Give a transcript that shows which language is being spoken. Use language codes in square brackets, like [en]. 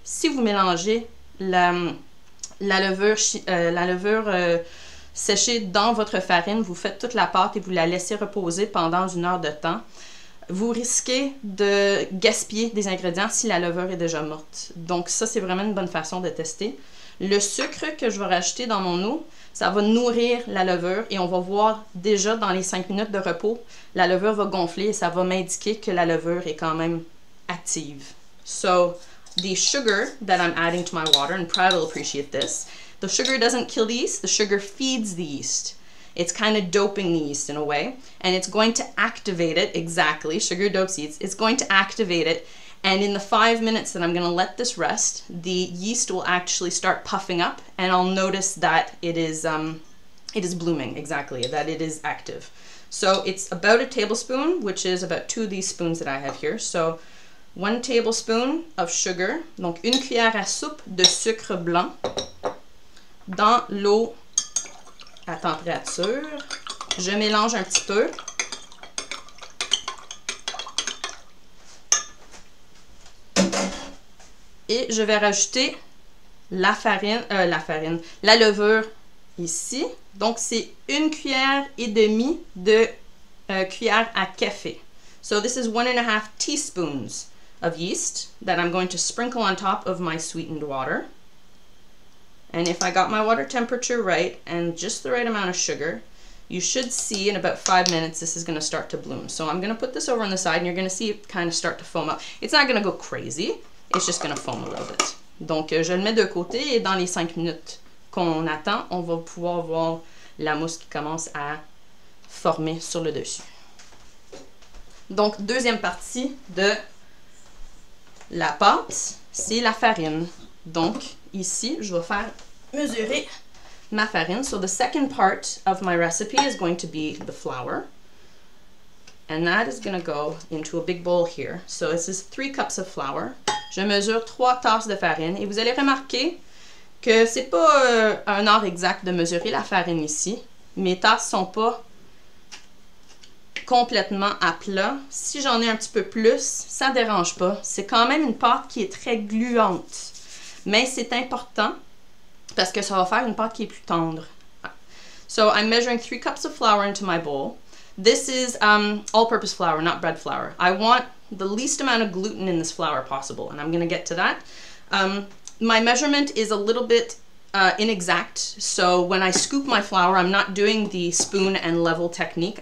[fr] Si vous mélangez la levure séchée dans votre farine, vous faites toute la pâte et vous la laissez reposer pendant une heure de temps, vous risquez de gaspiller des ingrédients si la levure est déjà morte. Donc ça, c'est vraiment une bonne façon de tester. Le sucre que je vais rajouter dans mon eau, ça va nourrir la levure et on va voir déjà dans les 5 minutes de repos, la levure va gonfler et ça va m'indiquer que la levure est quand même active. [en] So, the sugar that I'm adding to my water, and Pratt will appreciate this, the sugar doesn't kill the yeast, the sugar feeds the yeast. It's kind of doping the yeast in a way, and it's going to activate it, exactly, sugar dopes yeast, it's going to activate it. And in the 5 minutes that I'm going to let this rest, the yeast will actually start puffing up and I'll notice that it is blooming, exactly, that it is active. So it's about a tablespoon, which is about 2 of these spoons that I have here. So 1 tablespoon of sugar, [fr] donc une cuillère à soupe de sucre blanc dans l'eau à température. Je mélange un petit peu. Et je vais rajouter la levure ici. Donc, c'est une cuillère et demie de cuillère à café. [en] So, this is 1.5 teaspoons of yeast that I'm going to sprinkle on top of my sweetened water. And if I got my water temperature right and just the right amount of sugar, you should see in about 5 minutes this is going to start to bloom. So, I'm going to put this over on the side and you're going to see it kind of start to foam up. It's not going to go crazy. It's just going to foam a little bit. [fr] Donc, je le mets de côté et dans les 5 minutes qu'on attend, on va pouvoir voir la mousse qui commence à former sur le dessus. Donc, deuxième partie de la pâte, c'est la farine. Donc, ici, je vais faire mesurer ma farine. [en] So, the second part of my recipe is going to be the flour. And that is going to go into a big bowl here. So, this is 3 cups of flour. [fr] Je mesure 3 tasses de farine et vous allez remarquer que c'est pas un art exact de mesurer la farine ici. Mes tasses sont pas complètement à plat. Si j'en ai un petit peu plus, ça dérange pas. C'est quand même une pâte qui est très gluante. Mais c'est important parce que ça va faire une pâte qui est plus tendre. [en] So I'm measuring 3 cups of flour into my bowl. This is all-purpose flour, not bread flour. I want the least amount of gluten in this flour possible, and I'm gonna get to that. My measurement is a little bit inexact, so when I scoop my flour, I'm not doing the spoon and level technique.